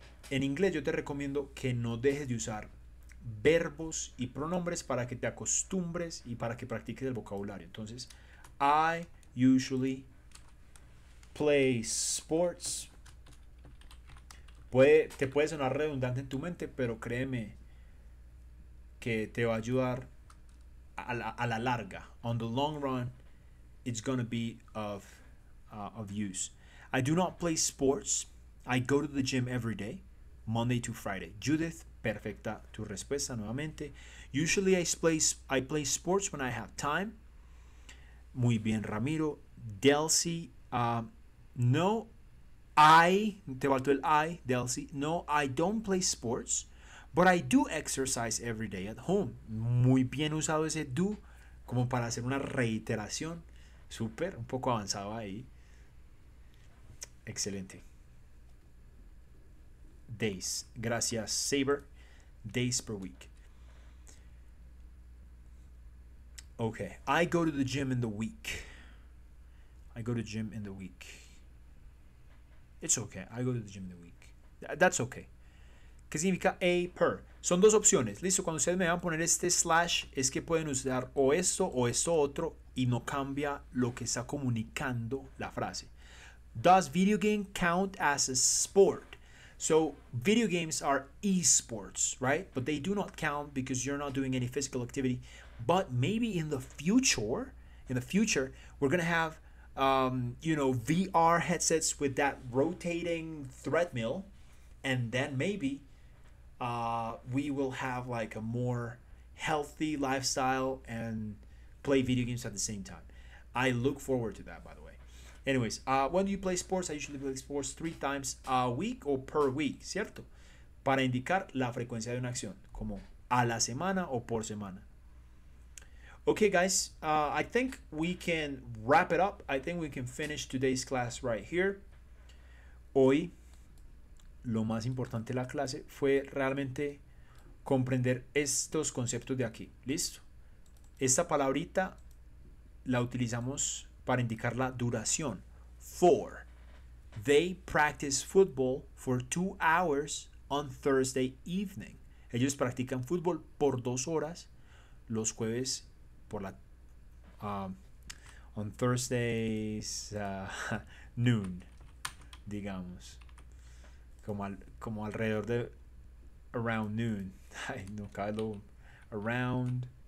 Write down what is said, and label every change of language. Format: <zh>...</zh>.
<es>En inglés yo te recomiendo que no dejes de usar verbos y pronombres para que te acostumbres y para que practiques el vocabulario. Entonces,</es> <en>I usually play sports.</en> <es>Te puede sonar redundante en tu mente, pero créeme que te va a ayudar a la larga.</es> <en>On the long run, it's going to be of use. I do not play sports. I go to the gym every day, Monday to Friday.</en> <es>Judith, perfecta tu respuesta nuevamente.</es> <en>Usually I play sports when I have time.</en> <es>Muy bien, Ramiro. Delcy, no.</es> <en>I,</en> <es>te faltó el</es> <en>I, Delcy. No, I don't play sports, But I do exercise every day at home.</en> <es>Muy bien usado ese do como para hacer una reiteración. Súper, un poco avanzado ahí. Excelente.</es> <en>Days.</en> <es>Gracias,</es> <en>Saber. Days per week. Okay. I go to the gym in the week. It's okay. I go to the gym in the week. That's okay.</en> <es>¿Qué significa a per? Son dos opciones. Listo, cuando ustedes me van a poner este slash, es que pueden usar o esto otro, y no cambia lo que está comunicando la frase.</es> <en>Does video game count as a sport? So, video games are esports, right? But they do not count because you're not doing any physical activity. But maybe in the future, we're going to have, you know, VR headsets with that rotating treadmill. And then maybe we will have like a more healthy lifestyle and play video games at the same time. I look forward to that, by the way. Anyways, when do you play sports? I usually play sports 3 times a week or per week, ¿cierto?</en> <es>Para indicar la frecuencia de una acción, como a la semana o por semana.</es> <en>Okay, guys, I think we can wrap it up. I think we can finish today's class right here.</en> <es>Hoy, lo más importante de la clase fue realmente comprender estos conceptos de aquí. ¿Listo? Esta palabrita la utilizamos para indicar la duración.</es> <en>For. They practice football for 2 hours on Thursday evening.</en> <es>Ellos practican fútbol por 2 horas los jueves por la...</es> <en>on Thursday's noon,</en> <es>digamos. Como alrededor de...</es> <en>Around noon.</en> <es>Ay, no caigo. Around...</es>